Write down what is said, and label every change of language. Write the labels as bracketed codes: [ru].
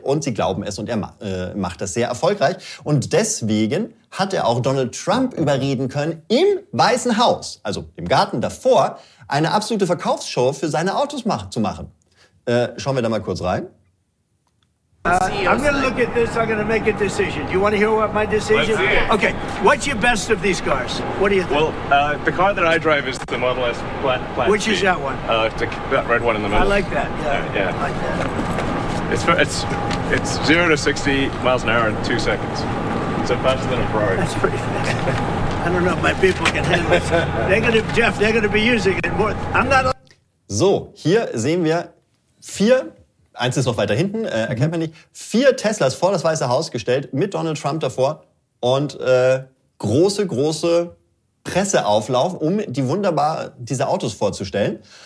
[de] Und sie glauben es und er macht das sehr erfolgreich. Und deswegen hat er auch Donald Trump überreden können, im Weißen Haus, also im Garten davor, eine absolute Verkaufsshow für seine Autos zu machen. Schauen wir da mal kurz rein. [en] I'm going to look at this. I'm going to make a decision. Do you want to hear what my decision is? Let's see. Okay. What's your best of these cars? What do you think? Well, the car that I drive is the Model S Plaid. Which is that one? That red one in the middle. I like that. Yeah. I like that. It's 0 to 60 miles an hour in 2 seconds. So faster than a Ferrari. That's pretty fast. I don't know if my people can handle it. They're going to be using it more. I'm not. [de] So, hier sehen wir 4. Eins ist noch weiter hinten, erkennt man nicht. 4 Teslas vor das Weiße Haus gestellt, mit Donald Trump davor. Und große, große Presseauflauf, um diese Autos vorzustellen.